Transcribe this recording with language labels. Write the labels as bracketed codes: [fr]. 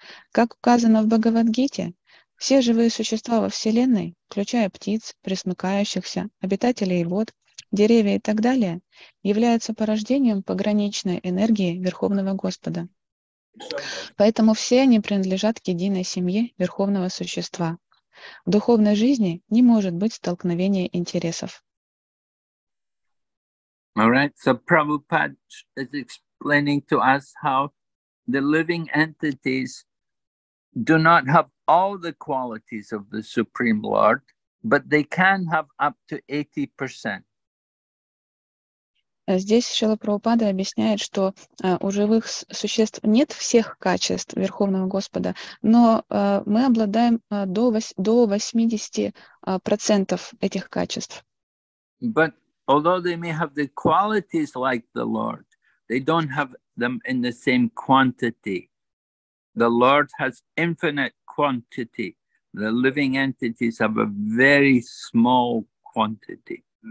[ru] Как указано в Бхагавад-гите, все живые существа во Вселенной, включая птиц, пресмыкающихся, обитателей вод, деревья и так далее, являются порождением пограничной энергии Верховного Господа. Поэтому все они принадлежат к единой семье Верховного Существа. В духовной жизни не может быть столкновения интересов. [en] All right, so Prabhupada is explaining to us how the living entities do not have all the qualities of the Supreme Lord, but they can have up to 80%. [ru] Здесь Шрила Прабхупада объясняет, что у живых существ нет всех качеств Верховного Господа, но мы обладаем до 80% этих качеств. [en] But although they may have the qualities like the Lord, they don't have them in the same quantity. The Lord has infinite quantity. The living entities have a very small quantity.